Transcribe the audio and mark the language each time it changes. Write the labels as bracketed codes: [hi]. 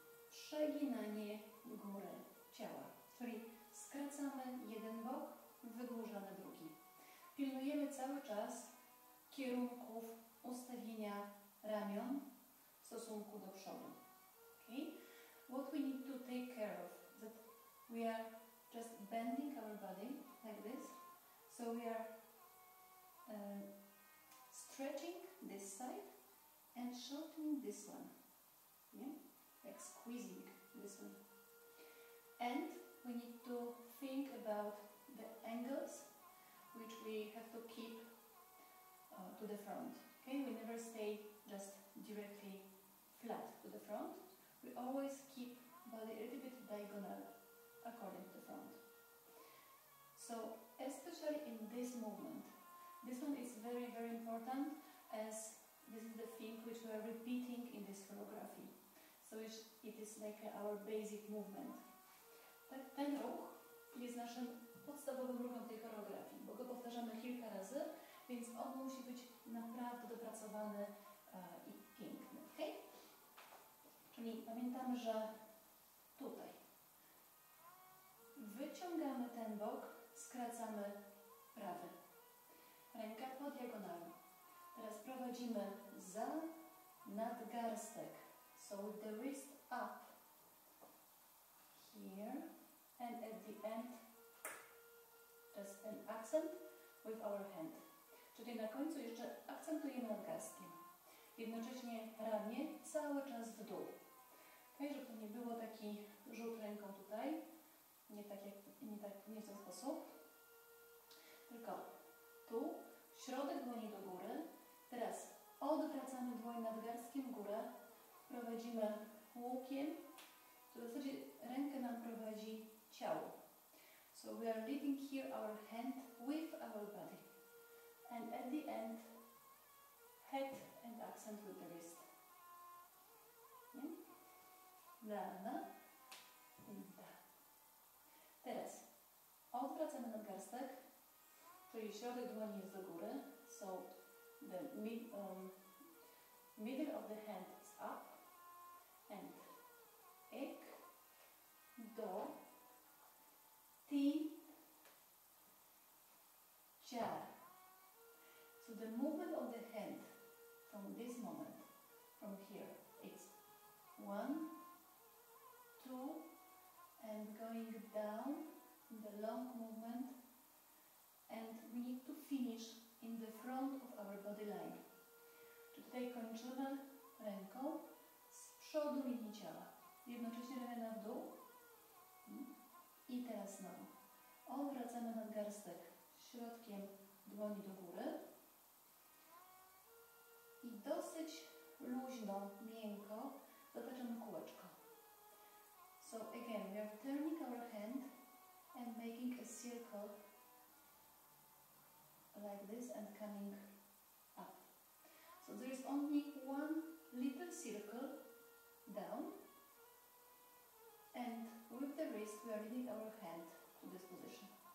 [pl] Przeginanie góry ciała, czyli skracamy jeden bok, wydłużamy drugi. Pilnujemy cały czas kierunków ustawienia ramion w stosunku do przodu. [en] Okay? What we need to take care of, that we are just bending our body like this, so we are stretching this side and shortening this one, yeah? Like squeezing this one. And we need to think about the angles which we have to keep to the front. Okay, we never stay just directly flat to the front. We always keep body a little bit diagonal according to the front. So, especially in this movement, this one is very, very important, as this is the thing which we are repeating in this choreography. So it is like our basic movement. [pl] Ten ruch jest naszym podstawowym ruchem tej choreografii, bo go powtarzamy kilka razy, więc on musi być naprawdę dopracowany i piękny, ok? Czyli pamiętamy, że tutaj wyciągamy ten bok, skracamy prawy. Ręka po diagonale. Teraz prowadzimy za nadgarstek. [en] So the wrist up here and at the end just an accent with our hand. [pl] Czyli na końcu jeszcze akcentujemy nadgarstkiem. Jednocześnie ramię cały czas w dół. Okay, żeby to nie było taki rzut ręką tutaj, nie tak jak, nie tak, nie w ten sposób. Tylko tu, środek dłoni do góry. Teraz odwracamy dłoń nadgarstkiem w górę. Prowadzimy łukiem, to w zasadzie rękę nam prowadzi ciało. [en] So we are leading here our hand with our body. And at the end, head and accent with the wrist. Lana i da. [pl] Teraz odwracamy nadgarstek, czyli środek dłoni jest do góry. [en] So the middle of the hand is up and ik do ti cia. So the movement of the hand from this moment, from here, it's one, two, and going down in the long movement, and we need to finish in the front of our body line. [pl] Tutaj kończymy ręką z przodu linii ciała. Jednocześnie ramiona w dół i teraz znowu. Odwracamy nadgarstek środkiem dłoni do góry i dosyć luźno, miękko zataczamy kółeczko. [en] So again, we are turning our hand and making a circle like this and coming up. So there is only one little circle down, and with the wrist we are leading our hand to this position.